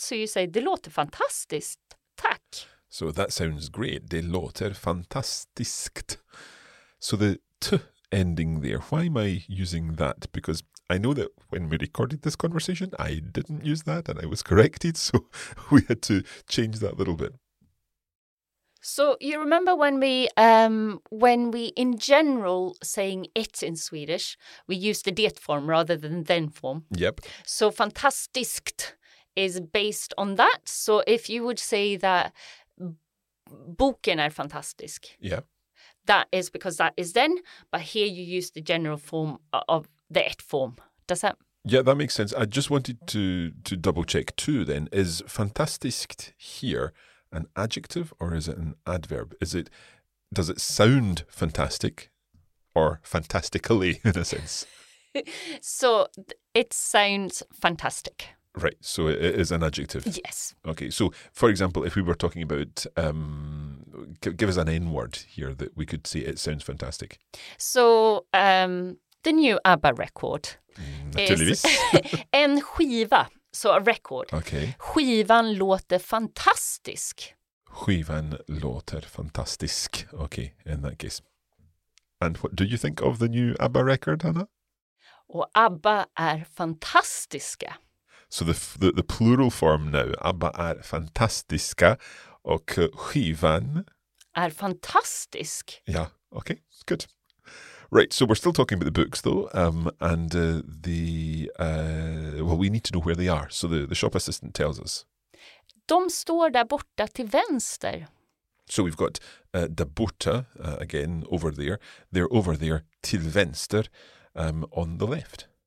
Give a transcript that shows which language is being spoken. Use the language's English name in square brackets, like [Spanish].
[English] So you say, [Swedish] det låter fantastiskt. Tack. [English] So that sounds great. [Swedish] Det låter fantastiskt. [English] So the t ending there, why am I using that? Because I know that when we recorded this conversation, I didn't use that and I was corrected, so we had to change that a little bit. So you remember when we in general saying it in Swedish, we use the det form rather than then form. Yep. So fantastiskt is based on that. So if you would say that [Swedish] boken är fantastisk. [English] Yeah. That is because that is then, but here you use the general form of the et form. Does that? Yeah, that makes sense. I just wanted to double check too then. Is fantastiskt here an adjective or is it an adverb? Does it sound fantastic or fantastically in a sense? So it sounds fantastic. Right, so it is an adjective. Yes. Okay, so for example, if we were talking about, give us an N-word here that we could say it sounds fantastic. So the new ABBA record is [Swedish] en skiva, [English] so a record. Okay. [Swedish] Skivan låter fantastisk. Skivan låter fantastisk. [English] Okay, in that case. And what do you think of the new ABBA record, Hannah? [Swedish] Och ABBA är fantastiska. [English] So the plural form now, [Swedish] ABBA är fantastiska och skivan är fantastisk. [English] Yeah, okay, good. Right, so we're still talking about the books though, we need to know where they are. So the shop assistant tells us. [Swedish] De står där borta till vänster. [English] So we've got [Swedish] där borta, [English] again, over there. They're over there [Swedish] till vänster, [English] on the left.